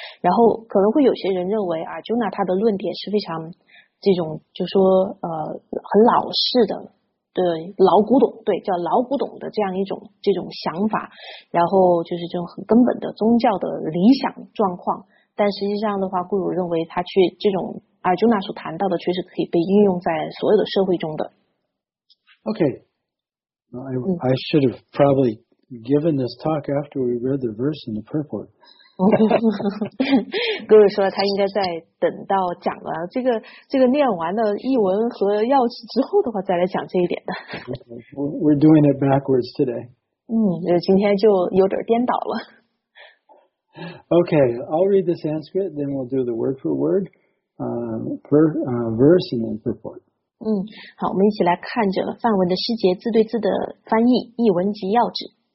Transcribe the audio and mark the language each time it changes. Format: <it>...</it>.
<zh>然后可能会有些人认为 Arjuna 他的论点是非常这种就说很老式的。对，老古董，对，叫老古董的这种想法，然后就是这种很根本的宗教的理想状况。但实际上的话，顾鲁认为他去这种阿朱娜所谈到的，确实可以被应用在所有的社会中的。</zh> <en>Okay, I should have probably given this talk after we read the verse in the purport.</en> <zh>顾鲁说他应该在等到讲了这个念完了译文和要旨之后的话再来讲这一点的。</zh> <en>We're doing it backwards today.</en> <zh>今天就有点颠倒了。</zh> <en>Okay, I'll read the Sanskrit, then we'll do the word for word, verse and then purport.</en> <zh>好，我们一起来看着梵文的诗节字对字的翻译，译文及要旨。</zh>